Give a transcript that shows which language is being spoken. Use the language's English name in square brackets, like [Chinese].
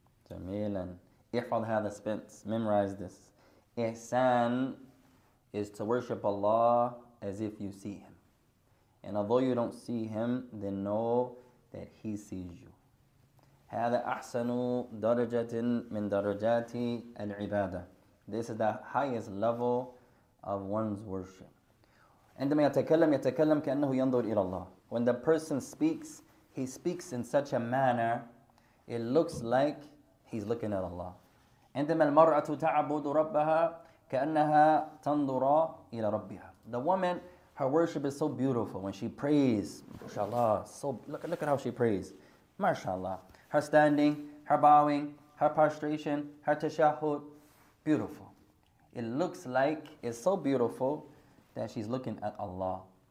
[Arabic] Jamilan. Ihfad hadha [English] Spence. Memorize this. Ihsan is to worship Allah as if you see Him. And although you don't see Him, then know that He sees you. [Arabic] هذا أحسن درجة من درجات العبادة. [English] This is the highest level of one's worship. [Arabic] عندما يتكلم يتكلم كأنه ينظر إلى الله. [English] When the person speaks, he speaks in such a manner, it looks like he's looking at Allah. [Arabic] عندما المرأة تعبد ربها كأنها تنظر إلى ربها. [English] The woman, her worship is so beautiful when she prays. MashaAllah, so look at how she prays. MashaAllah. Her standing, her bowing, her prostration, her tashahud, beautiful. It looks like it's so beautiful that she's looking at Allah.